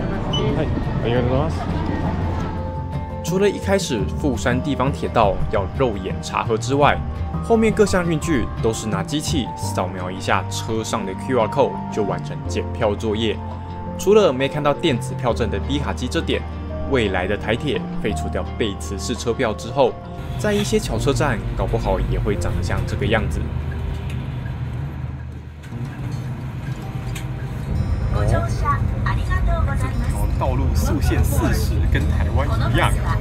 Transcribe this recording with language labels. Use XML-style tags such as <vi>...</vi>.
<zh>你们，除了一开始富山地方铁道要肉眼查核之外，后面各项运具都是拿机器扫描一下车上的 QR code 就完成检票作业。除了没看到电子票证的 B 卡机这点，未来的台铁废除掉背磁式车票之后，在一些桥车站搞不好也会长得像这个样子。</zh> <ja>ご乗車ありがとうございます。</ja> <zh>哦，道路速限40，跟台湾一样。</zh>